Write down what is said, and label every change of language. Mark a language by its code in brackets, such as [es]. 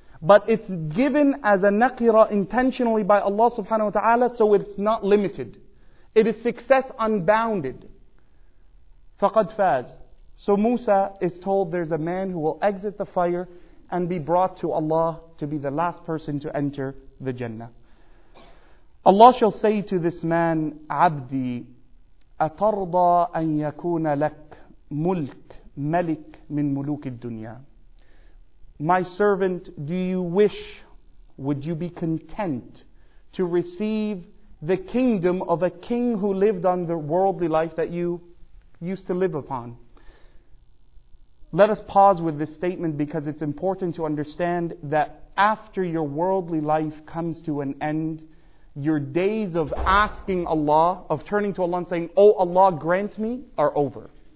[en] But it's given as a naqira intentionally by Allah subhanahu wa ta'ala, so it's not limited. It is success unbounded. [ar] فَقَدْ فَازَ. [en] So Musa is told there's a man who will exit the fire and be brought to Allah to be the last person to enter the Jannah. Allah shall say to this man, [ar] عَبْدِي أَتَرْضَى أَن يَكُونَ لَكْ مُلْكْ مَلِكْ مِنْ مُلُوكِ الدُّنْيَا. [en] My servant, do you wish, would you be content to receive the kingdom of a king who lived on the worldly life that you used to live upon? Let us pause with this statement because it's important to understand that after your worldly life comes to an end, your days of asking Allah, of turning to Allah and saying, "Oh Allah, grant me," are over.